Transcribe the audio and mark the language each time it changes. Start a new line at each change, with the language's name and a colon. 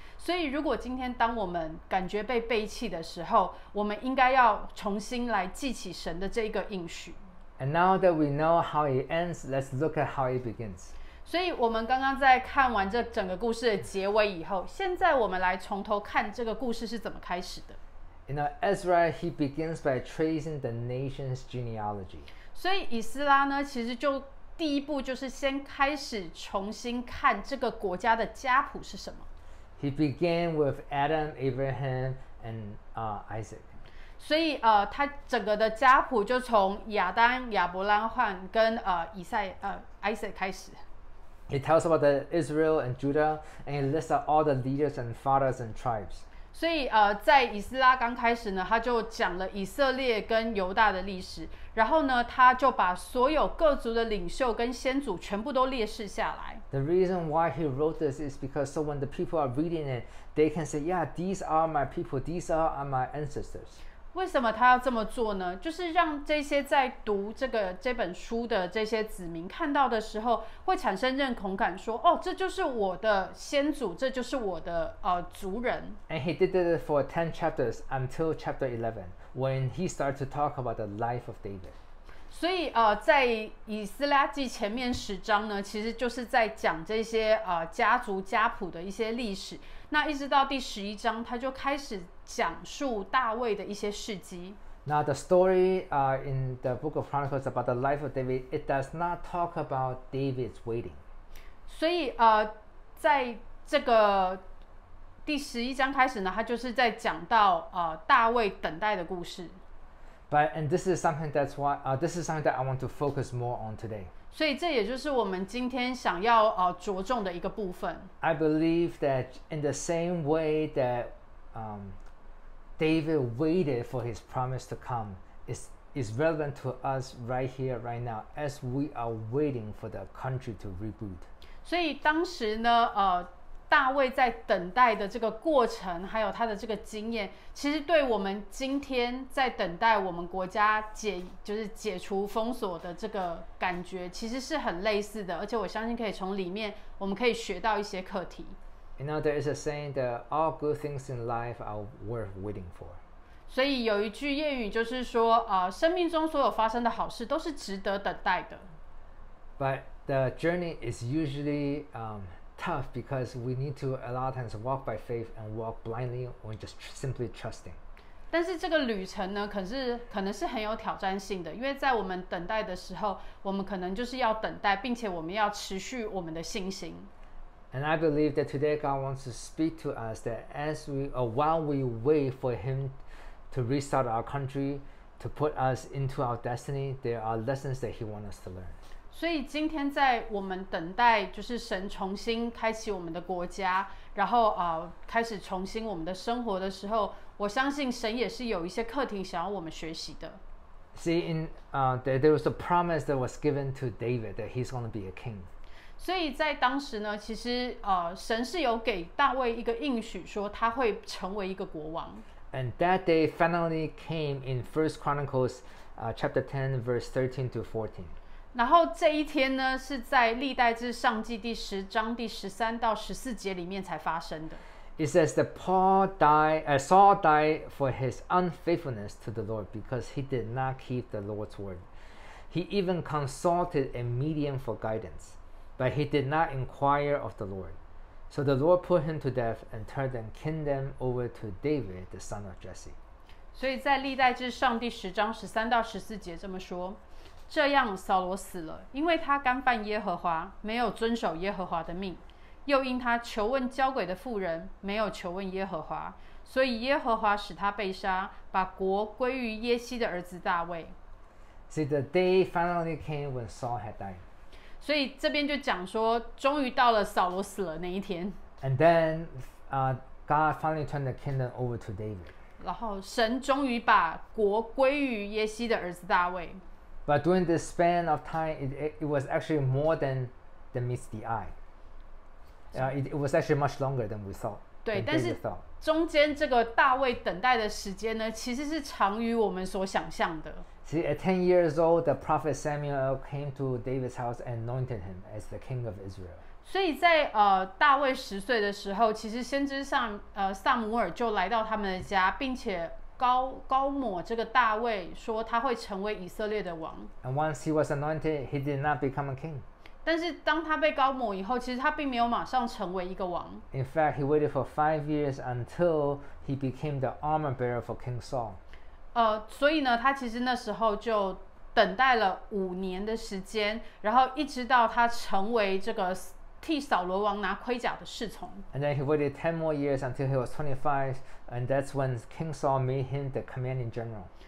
Chinese: 所以如果今天当我们感觉被背弃的时候，我们应该要重新来记起神的这个应许。
English: And now that we know how it ends, let's look at how it begins.
Chinese: 所以我们刚刚在看完这整个故事的结尾以后，现在我们来从头看这个故事是怎么开始的。
English: You know, Ezra, he begins by tracing the nation's genealogy.
Chinese: 所以以斯拉呢，其实就第一步就是先开始重新看这个国家的家谱是什么。
English: He began with Adam, Abraham, and Isaac.
Chinese: 所以他整个的家谱就从亚当、亚伯拉罕跟Isaac 开始。
English: He tells about the Israel and Judah, and he lists out all the leaders and fathers and tribes.
Chinese: 所以在以斯拉刚开始呢，他就讲了以色列跟犹大的历史，然后呢，他就把所有各族的领袖跟先祖全部都列示下来。
English: The reason why he wrote this is because so when the people are reading it, they can say, yeah, these are my people, these are my ancestors.
Chinese: 为什么他要这么做呢？就是让这些在读这本书的这些子民看到的时候，会产生认同感，说，哦，这就是我的先祖，这就是我的族人。
English: And he did it for 10 chapters until chapter 11. When he started to talk about the life of David.
Chinese: 所以在以斯拉记前面十章呢，其实就是在讲这些家族家谱的一些历史。那一直到第十一章，他就开始讲述大卫的一些事迹。
English: Now the story in the book of Chronicles about the life of David, it does not talk about David's wedding.
Chinese: 所以在这个第十一章开始呢，他就是在讲到大卫等待的故事。
English: But and this is something that's why this is something that I want to focus more on today.
Chinese: 所以这也就是我们今天想要着重的一个部分。
English: I believe that in the same way that David waited for his promise to come, is relevant to us right here, right now, as we are waiting for the country to reboot.
Chinese: 所以当时呢，大卫在等待的这个过程还有他的这个经验，其实对我们今天在等待我们国家解除封锁的这个感觉其实是很类似的，而且我相信可以从里面我们可以学到一些课题。
English: You know, there is a saying that all good things in life are worth waiting for.
Chinese: 所以有一句谚语就是说生命中所有发生的好事都是值得等待的。
English: But the journey is usually tough because we need to a lot of times walk by faith and walk blindly or just simply trusting.
Chinese: 但是这个旅程呢，可能是很有挑战性的，因为在我们等待的时候，我们可能就是要等待，并且我们要持续我们的信心。
English: And I believe that today God wants to speak to us that as we while we wait for Him to restart our country, to put us into our destiny, there are lessons that He wants us to learn.
Chinese: 所以今天在我们等待就是神重新开启我们的国家，然后开始重新我们的生活的时候，我相信神也是有一些课题想要我们学习的。
English: See, there was a promise that was given to David that he's going to be a king.
Chinese: 所以在当时呢，其实神是有给大卫一个应许，说他会成为一个国王。
English: And that day finally came in 1 Chronicles chapter 10 verse 13 to 14.
Chinese: 然后这一天呢，是在历代志上记第十章第十三到十四节里面才发生的。
English: It says that Saul died for his unfaithfulness to the Lord because he did not keep the Lord's word. He even consulted a medium for guidance, but he did not inquire of the Lord. So the Lord put him to death and turned the kingdom over to David, the son of Jesse.
Chinese: 所以在历代志上第十章十三到十四节这么说。这样扫罗死了，因为他干犯耶和华，没有遵守耶和华的命，又因他求问交鬼的妇人，没有求问耶和华，所以耶和华使他被杀，把国归于耶西的儿子大卫。
English: See, the day finally came when Saul had died.
Chinese: 所以这边就讲说终于到了扫罗死了那一天。
English: And then God finally turned the kingdom over to David.
Chinese: 然后神终于把国归于耶西的儿子大卫。
English: But during this span of time, it was actually more than the meets the eye. It was actually much longer than we thought.
Chinese: 对，但是中间这个大卫等待的时间呢，其实是长于我们所想象的。
English: See, at 10 years old, the prophet Samuel came to David's house and anointed him as the king of Israel.
Chinese: 所以在大卫十岁的时候，其实先知撒母耳就来到他们的家，并且高抹这个大卫，说他会成为以色列的王。
English: And once he was anointed, he did not become a king.
Chinese: 但是当他被高抹以后，其实他并没有马上成为一个王。
English: In fact, he waited for 5 years until he became the armor bearer for King Saul.
Chinese: 所以呢，他其实那时候就等待了五年的时间，然后一直到他成为这个替扫罗王拿盔甲的侍从。
English: And then he waited 10 more years until he was 25, and that's when King Saul made him the commanding general.